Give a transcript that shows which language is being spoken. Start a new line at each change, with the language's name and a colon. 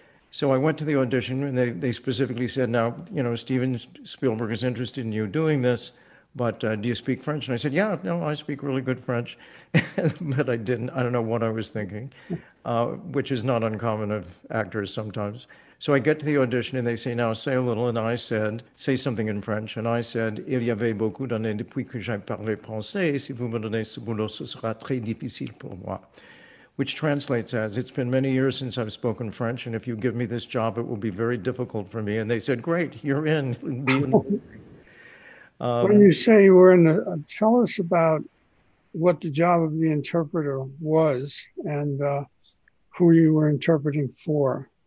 English: So I went to the audition, and they specifically said, now, you know, Steven Spielberg is interested in you doing this, but do you speak French? And I said, yeah, no, I speak really good French. But I didn't. I don't know what I was thinking, which is not uncommon of actors sometimes. So I get to the audition, and they say, now, say a little. And I said, say something in French.
French: And I said, il y avait beaucoup d'années depuis que j'ai parlé français. Si vous me donnez ce boulot, ce sera très difficile pour moi.
English: Which translates as, it's been many years since I've spoken French, and if you give me this job, it will be very difficult for me. And they said, great, you're in. When you say you were in, tell us about what the job of the interpreter was and who you were interpreting for.